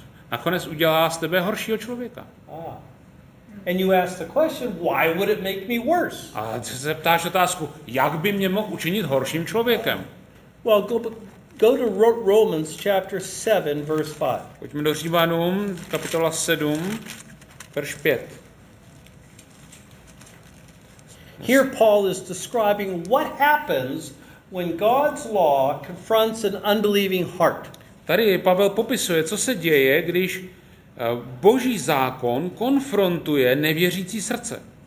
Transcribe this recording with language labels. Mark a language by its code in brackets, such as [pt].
[cs] Nakonec udělá z tebe horšího člověka. [en] And you ask the question, why would it make me worse? [cs] A se ptáš otázku, jak by mě mohl učinit horším člověkem? [en] Well, go to Romans chapter 7, verse 5. [cs] Pojďme do Římanům, kapitola 7, verš 5. [en] Here Paul is describing what happens when God's law confronts an unbelieving heart. [cs] Tady Pavel popisuje, co se děje, když Boží zákon konfrontuje nevěřící srdce.